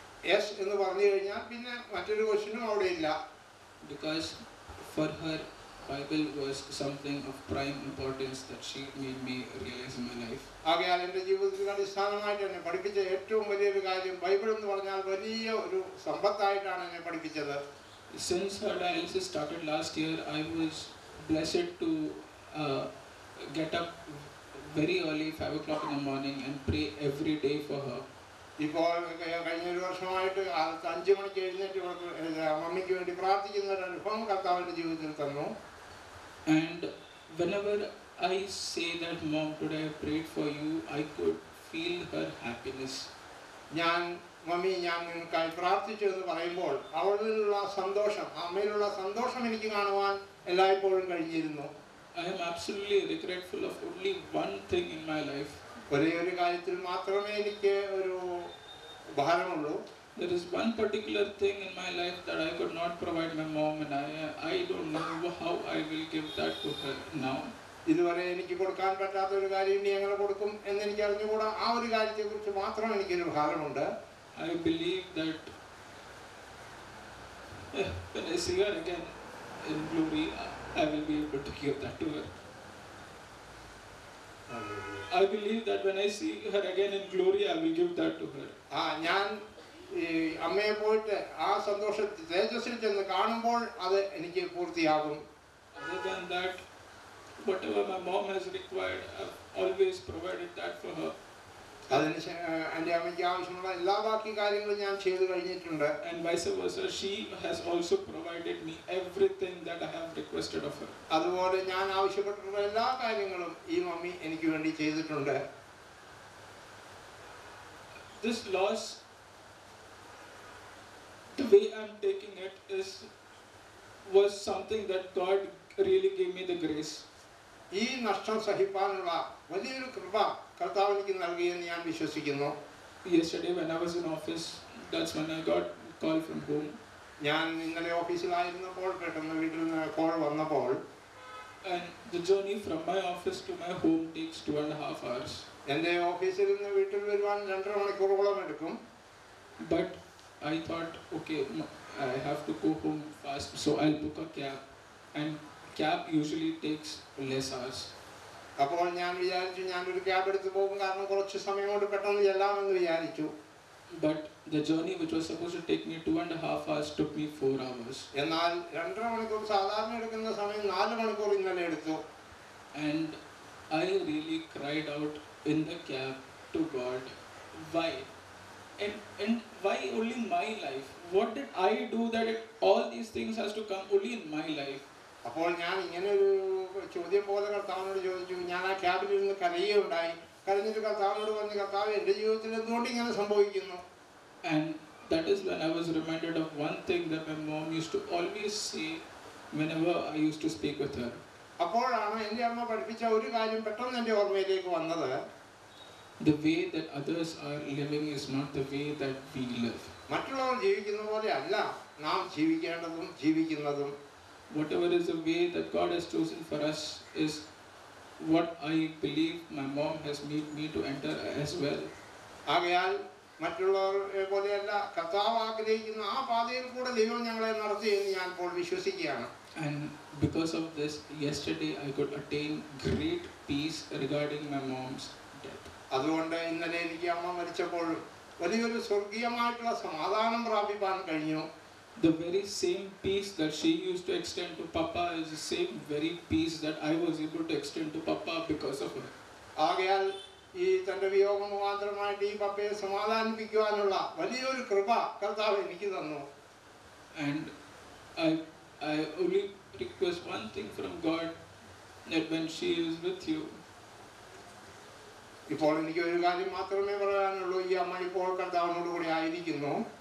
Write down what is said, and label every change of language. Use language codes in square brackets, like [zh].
[ml] Yes എന്ന് പറഞ്ഞു കഴിഞ്ഞാൽ പിന്നെ മറ്റൊരു ക്വസ്റ്റ്യനും അവിടെ ഇല്ല. [en] Because for her, Bible was something of prime importance that she made me realize in my life. [ml] ആകയാൽ എൻ്റെ ജീവിതത്തിൽ അടിസ്ഥാനമായിട്ട് എന്നെ പഠിപ്പിച്ച ഏറ്റവും വലിയൊരു കാര്യം ബൈബിൾ എന്ന് പറഞ്ഞാൽ വലിയ ഒരു സമ്പത്തായിട്ടാണ് എന്നെ പഠിപ്പിച്ചത്. [en] Since her dialysis started last year, I was blessed to get up very early, 5 o'clock in the morning, and pray every day for her. [ml] ഇപ്പോൾ കഴിഞ്ഞൊരു വർഷമായിട്ട് 5 മണിക്ക് എഴുന്നേറ്റ് അമ്മയ്ക്ക് വേണ്ടി പ്രാർത്ഥിക്കുന്ന ഒരു അനുഭവം കർത്താവിൻ്റെ ജീവിതത്തിൽ തന്നു. [en] And whenever I say that, Mom, today I prayed for you, I could feel her happiness. [ml] ഞാൻ മമ്മി ഞാൻ നിങ്ങൾക്കായി പ്രാർത്ഥിച്ചു എന്ന് പറയുമ്പോൾ അവളിലുള്ള സന്തോഷം, അമ്മയിലുള്ള സന്തോഷം എനിക്ക് കാണുവാൻ എല്ലായ്പ്പോഴും കഴിഞ്ഞിരുന്നു. [en] I am absolutely regretful of only one thing in my life. [ml] ഒരേ ഒരു കാര്യത്തിൽ മാത്രമേ എനിക്ക് ഒരു ഭാരമുള്ളൂ. [en] There is one particular thing in my life that I could not provide my mom, and I don't know how I will give that to her now. [ml] ഇതുവരെ എനിക്ക് കൊടുക്കാൻ പറ്റാത്ത ഒരു കാര്യം ഇനി എങ്ങനെ കൊടുക്കും എന്ന് എനിക്ക് അറിഞ്ഞുകൂടാ. ആ ഒരു കാര്യത്തെ കുറിച്ച് മാത്രം എനിക്കൊരു ഭാരമുണ്ട്. [en] I believe that when I see her again in glory, I will be able to give that to her. I believe that when I see her again in glory, I will give that to her. [ml] ഞാൻ അമ്മയെ പോയിട്ട് ആ സന്തോഷത്തിൽ തേജസ്സിൽ ചെന്ന് കാണുമ്പോൾ അത് എനിക്ക് പൂർത്തിയാകും. [en] Other than that, whatever my mom has required, I've always provided that for her. [ml] അതിനുശേഷം എൻ്റെ അമ്മയ്ക്ക് ആവശ്യമുള്ള എല്ലാ ബാക്കി കാര്യങ്ങളും ഞാൻ ചെയ്തു കഴിഞ്ഞിട്ടുണ്ട്. [en] And vice versa, she has also provided me everything that I have requested of her. [ml] അതുപോലെ ഞാൻ ആവശ്യപ്പെട്ടിട്ടുള്ള എല്ലാ കാര്യങ്ങളും ഈ മമ്മി എനിക്ക് വേണ്ടി ചെയ്തിട്ടുണ്ട്. [en] This loss, the way I'm taking it is, was something that God really gave me the grace. [ml] ഈ നഷ്ടം സഹിപ്പാനുള്ള വലിയൊരു കൃപ കർത്താവ് എനിക്ക് നൽകിയെന്ന് ഞാൻ വിശ്വസിക്കുന്നു. [en] Yesterday when I was in office, that's when I got call from home. [ml] ഞാൻ ഇന്നലെ ഓഫീസിൽ ആയിരുന്നപ്പോൾ പെട്ടെന്ന് വീട്ടിൽ നിന്ന് കോൾ വന്നപ്പോൾ. [en] And the journey from my office to my home takes 2.5 hours. [ml] എൻ്റെ ഓഫീസിൽ നിന്ന് വീട്ടിൽ വരുവാൻ 2.5 മണിക്കൂറോളം എടുക്കും. [en] But I thought, okay, I have to go home fast, so I'll book a cab. And cab usually takes less hours. [ml] അപ്പോൾ ഞാൻ വിചാരിച്ചു ഞാൻ ഒരു ക്യാബ് എടുത്ത് പോകും, കാരണം കുറച്ച് സമയം കൊണ്ട് പെട്ടെന്ന് ചെല്ലാമെന്ന് വിചാരിച്ചു. [en] But the journey which was supposed to take me 2.5 hours took me 4 hours. [ml] എന്നാൽ 2.5 മണിക്കൂർ സാധാരണ എടുക്കുന്ന സമയം 4 മണിക്കൂർ ഇന്നലെ എടുത്തു. [en] And I really cried out in the cab to God, why and why only in my life? What did I do that all these things has to come only in my life? [ml] അപ്പോൾ ഞാൻ ഇങ്ങനെ ഒരു ചോദ്യം പോലെ കർത്താവിനോട് ചോദിച്ചു. ഞാൻ ആ ക്യാബിൽ ഇരുന്ന് കരയുകയുണ്ടായി. കരഞ്ഞിട്ട് കർത്താവിനോട് പറഞ്ഞു, കർത്താവ് എൻ്റെ ജീവിതത്തിൽ എന്തുകൊണ്ട് ഇങ്ങനെ സംഭവിക്കുന്നു. [en] And that is when I was reminded of one thing that my mom used to always say whenever I used to speak with her. [ml] അപ്പോഴാണ് എൻ്റെ അമ്മ പഠിപ്പിച്ച ഒരു കാര്യം പെട്ടെന്ന് എൻ്റെ ഓർമ്മയിലേക്ക് വന്നത്. [en] The way that others are living is not the way that we live. [ml] മറ്റുള്ളവർ ജീവിക്കുന്ന പോലെ അല്ല നാം ജീവിക്കേണ്ടതും ജീവിക്കുന്നതും. [en] Whatever is the way that God has chosen for us is what I believe my mom has made me to enter as well. [ml] ആകയാൽ മറ്റുള്ളവരെ പോലെയല്ല കർത്താവ് ആഗ്രഹിക്കുന്ന ആ പാതയിൽ കൂടെ ദൈവം ഞങ്ങളെ നടത്തി എന്ന് ഞാൻ ഇപ്പോൾ വിശ്വസിക്കുകയാണ്. [en] And because of this, yesterday I could attain great peace regarding my mom's death. [ml] അതുകൊണ്ട് ഇന്നലെ എനിക്ക് അമ്മ മരിച്ചപ്പോൾ വലിയൊരു സ്വർഗീയമായിട്ടുള്ള സമാധാനം പ്രാപിപ്പാൻ കഴിഞ്ഞു. [en] The very same peace that she used to extend to Papa is the same very peace that I was able to extend to Papa because of her. [ml] ആകയാൽ ഈ തന്റെ വിയോഗം മാത്രമായിട്ട് ഈ പപ്പയെ സമാധാനിപ്പിക്കുവാനുള്ള വലിയൊരു കൃപ കർത്താവ് എനിക്ക് തന്നു. [en] And I only request one thing from God, that when she is with you, [ml] ഇപ്പോൾ എനിക്ക് ഒരു കാര്യം മാത്രമേ പറയാനുള്ളൂ, ഈ അമ്മ ഇപ്പോൾ കർത്താവിനോട് കൂടി ആയിരിക്കുന്നു.